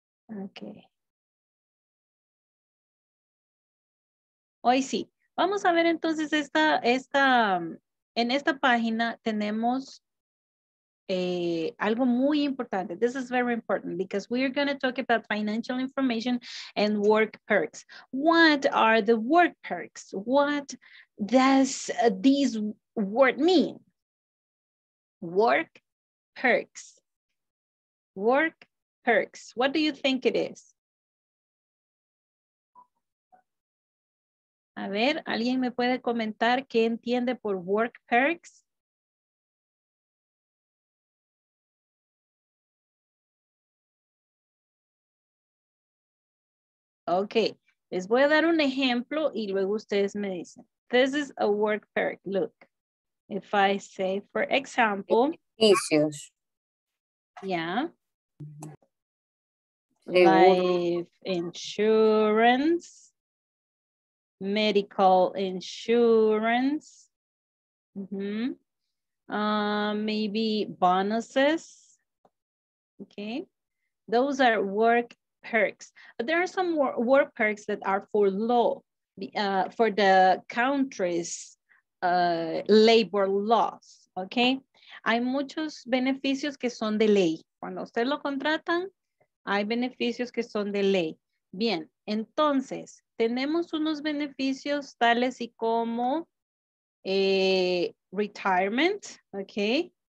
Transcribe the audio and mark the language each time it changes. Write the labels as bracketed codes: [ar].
[es] Ok. Hoy sí. Vamos a ver entonces en esta página tenemos algo muy importante. [en] This is very important because we are going to talk about financial information and work perks. What are the work perks? What does this word mean? Work perks. What do you think it is? [es] A ver, ¿alguien me puede comentar qué entiende por work perks? Ok, les voy a dar un ejemplo y luego ustedes me dicen. [en] This is a work perk, look. If I say, for example. Issues. Yeah. Life insurance, medical insurance, maybe bonuses, okay? Those are work perks. But there are some work perks that are for law, for the country's labor laws, okay? [es] Hay muchos beneficios que son de ley. Cuando usted lo contratan, hay beneficios que son de ley. Bien, entonces, tenemos unos beneficios tales y como retirement, ¿ok?